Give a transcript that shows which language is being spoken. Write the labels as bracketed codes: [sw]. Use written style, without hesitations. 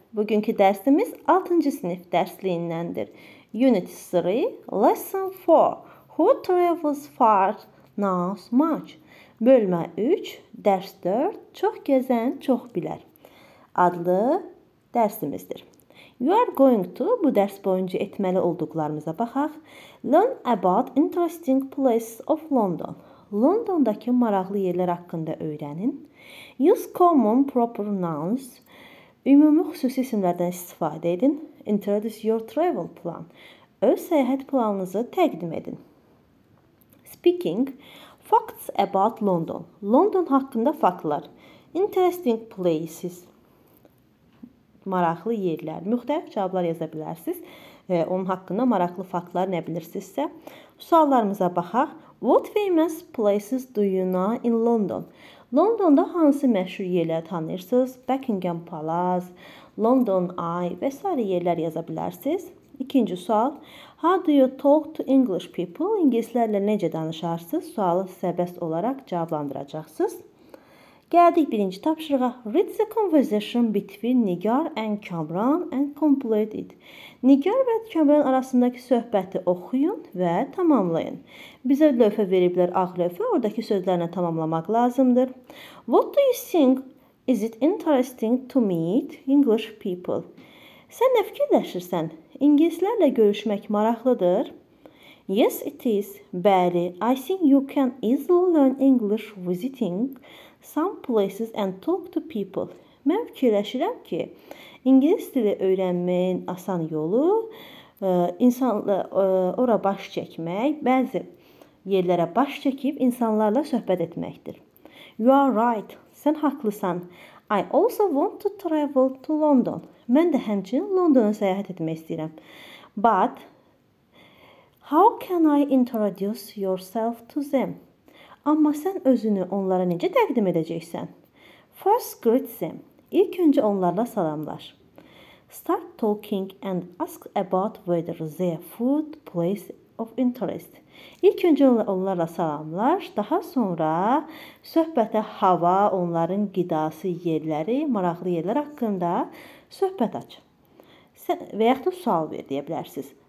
[az] Bugünkü dərsimiz 6-cı sinif dərsliyindəndir. [en] Unit 3, Lesson 4, Who travels far, knows much. [az] Bölmə 3, dərs 4, çox gəzən, çox bilər adlı dərsimizdir. [en] You are going to, [az] bu dərs boyunca etməli olduqlarımıza baxaq, [en] learn about interesting places of London. [az] London'daki maraqlı yerler haqqında öyrənin. [en] Use common proper nouns. [az] Ümumi xüsusi isimlerden istifadə edin. [en] Introduce your travel plan. [az] Öz səyahət planınızı təqdim edin. Speaking. [en] Facts about London. [az] London haqqında faktlar. [en] Interesting places. [az] Maraqlı yerler. Müxtəlif cavablar yaza bilərsiniz. Onun haqqında maraqlı faktlar nə bilirsinizsə. Suallarımıza baxaq. [en] What famous places do you know in London? [az] London'da hansı məşhur yerler tanıyırsınız? Buckingham Palace, London Eye vs. yerler yazabilirsiniz. İkinci sual. [en] How do you talk to English people? [az] İngilizlerle necə danışarsınız? Sualı səbəst olarak cavablandıracaqsınız. Gəldik birinci tapşırığa. [en] Read the conversation between Nigar and Cameron and complete it. [az] Nigar ve Cameron arasındaki söhbəti oxuyun ve tamamlayın. Bizə lövhə veriblər, ağ lövhə, oradaki sözlərini tamamlamaq lazımdır. [en] What do you think? Is it interesting to meet English people? [az] Sən nə fikirləşirsən? İngilizlərlə görüşmək maraqlıdır. [en] Yes, it is. Bəli, I think you can easily learn English visiting some places and talk to people. [az] Mən fikirləşirəm ki, İngiliz dili öyrənməyin asan yolu insanla ora baş çəkmək, bəzi yerlərə baş çəkib insanlarla söhbət etməkdir. [en] You are right. [az] Sən haqlısan. [en] I also want to travel to London. [az] Mən də həmçinin Londona səyahət etmək istəyirəm. [en] But how can I introduce yourself to them? [az] Amma sən özünü onlara necə təqdim edəcəksən? [en] First greet them. [az] İlk öncə onlarla salamlar. [en] Start talking and ask about whether their food place of interest. [az] İlk öncə onlarla salamlar. Daha sonra söhbətə hava, onların qidası, yerləri, maraqlı yerlər haqqında söhbət aç. Sən, və yaxud da sual ver deyə bilərsiniz.